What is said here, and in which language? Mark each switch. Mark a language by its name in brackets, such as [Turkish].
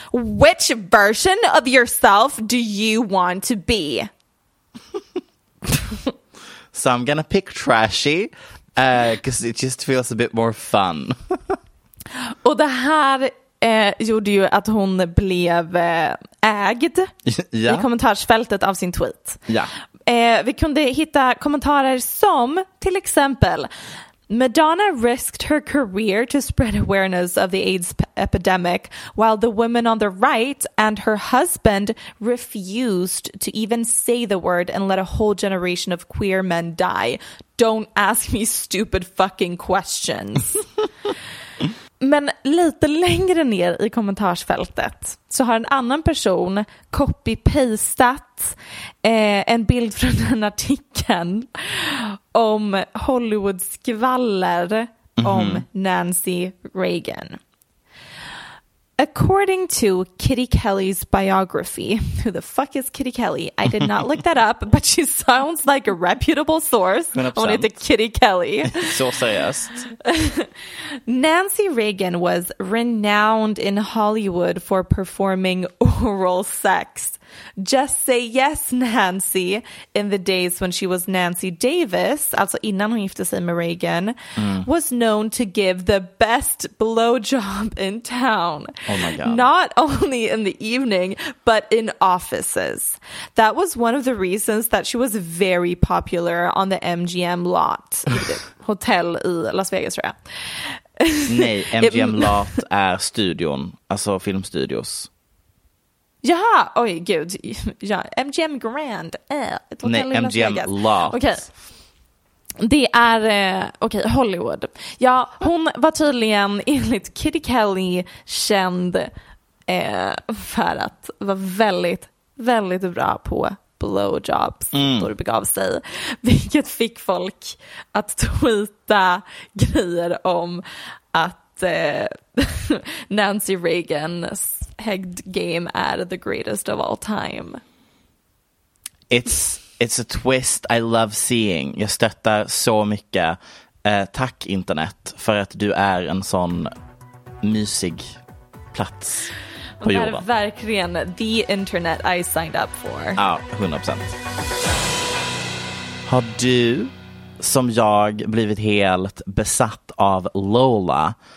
[English] Which version of yourself do you want to be? So I'm gonna pick trashy, because it just feels a bit more fun. [Swedish] Och det här gjorde ju att hon blev ägd [English] yeah. [Swedish] i kommentarsfältet av sin tweet. Ja. Yeah. Vi kunde hitta kommentarer som till exempel [English] Madonna risked her career to spread awareness of the AIDS epidemic while the woman on the right and her husband refused to even say the word and let a whole generation of queer men die. Don't ask me stupid fucking questions. [Swedish] Men lite längre ner i kommentarsfältet så har en annan person copy-pastat en bild från den artikeln om Hollywood-skvaller om Nancy Reagan. [English] According to Kitty Kelly's biography, who the fuck is Kitty Kelly? I did not look that up, but she sounds like a reputable source. [Swedish] Hon heter Kitty Kelly. Så sägs. [English] Nancy Reagan was renowned in Hollywood for performing oral sex. Just say yes, Nancy, in the days when she was Nancy Davis, [Swedish] alltså innan hon gifte sig med Reagan, [English] was known to give the best blowjob in town. Oh my God. Not only in the evening, but in offices. That was one of the reasons that she was very popular on the MGM lot. [Swedish] Hotel i Las Vegas, tror jag. Nej, MGM lot är studion, alltså filmstudios. Jaha, oj gud. Ja, MGM Grand. Nej, MGM Loft. Okej. Det är okej, Hollywood. Ja, hon var tydligen enligt Kitty Kelly känd för att vara väldigt väldigt bra på blowjobs då det begav sig. Vilket fick folk att tweeta grejer om att Nancy Reagans Hegged [English] game at the greatest of all time. It's a twist I love seeing. [Swedish] Jag stöttar så mycket. Tack internet för att du är en sån mysig plats på jorden. Det är verkligen [English] the internet I signed up for. [Swedish] Ja, 100%. Har du som jag blivit helt besatt av Lola?